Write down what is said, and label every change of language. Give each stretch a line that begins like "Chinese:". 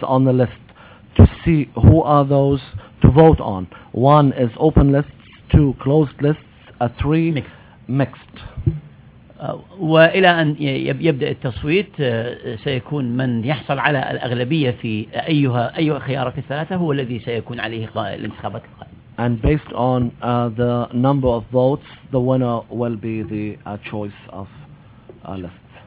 English: on the list to see who are those to vote on. One is open lists, two closed lists, three mixed.
Arabic: وإلى أن يبدأ التصويت سيكون من يحصل على الأغلبية في أي خيار في الثلاثة هو الذي سيكون عليه الانتخابات القادمة.
English: And based on the number of votes, the winner will be the choice of list.